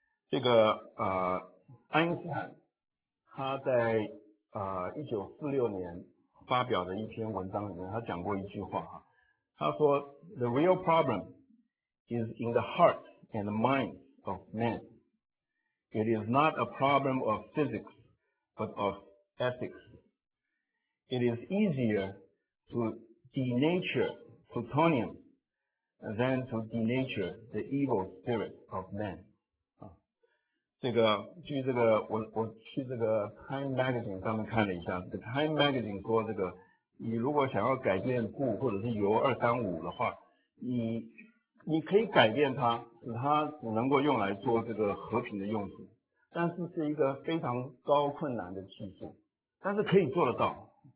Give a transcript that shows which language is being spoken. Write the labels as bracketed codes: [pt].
[zh] 这个爱因斯坦他在1946年发表的一篇文章里面，他讲过一句话，他说 [en] The real problem is in the heart and mind of man. It is not a problem of physics, but of ethics. It is easier to denature plutonium than to denature the evil spirit of man. [zh] 这个据这个我去这个 Time Magazine 上面看了一下，这个 Time Magazine 说，这个你如果想要改变故或者是由235的话，你可以改变它，使它只能够用来做这个和平的用途，但是是一个非常高困难的技术，但是可以做得到。